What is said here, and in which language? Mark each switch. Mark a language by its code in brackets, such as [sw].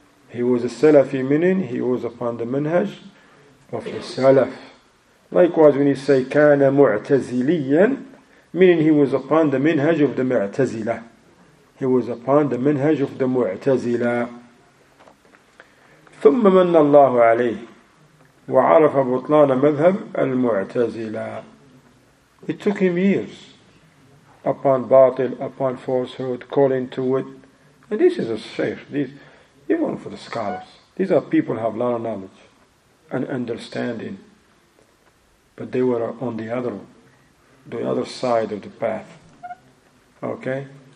[en] He was a Salafi, meaning he was upon the manhaj of the Salaf. Likewise, when you say [ar] كَانَ مُعْتَزِلِيًا, [en] meaning he was upon the manhaj of the Mu'tazila. He was upon the manhaj of the Mu'tazila. [ar] ثم من الله عليه وعرف بطلان مذهب المعتزلة. [en] It took him years upon batil, upon falsehood, calling to it. And this is a shaykh, even for the scholars. These are people who have a lot of knowledge and understanding. But they were on the other side of the path. Okay?